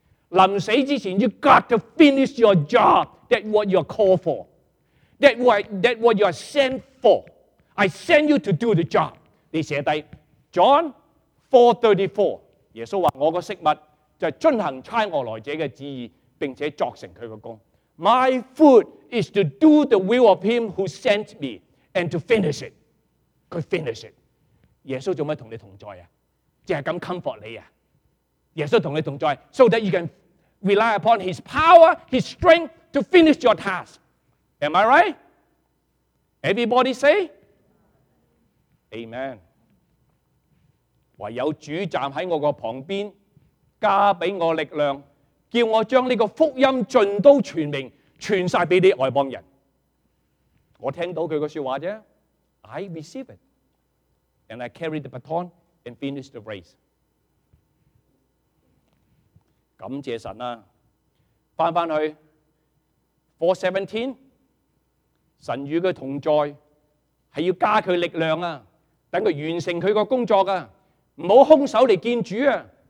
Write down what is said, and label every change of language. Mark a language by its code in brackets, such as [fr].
[yue] 临死之前 [en] ，you got to finish your job. That what you are called for. That what you are sent for. I send you to do the job. [yue] 你写低 John 4:34。耶稣话：我个食物就系遵行差我来者嘅旨意，并且作成佢个功。 [en] My food is to do the will of him who sent me and to finish it. [yue] 佢 [en] finish it。 [yue] 耶稣做乜同你同在啊？净系咁 comfort 你啊？耶稣同你同在 [en] ，so that you can rely upon His power, His strength to finish your task. Am I right? Everybody say, Amen. [yue] 唯有主站喺我个旁边，加俾我力量，叫我将呢个福音尽都传明，传晒俾啲外邦人。我听到佢个说话啫 ， [en] I receive it. And I carry the baton and finish the race. [yue] 感謝神啊！翻去 4:17， 神與佢同在，係要加佢力量啊，等佢完成佢個工作啊，唔好空手嚟見主啊。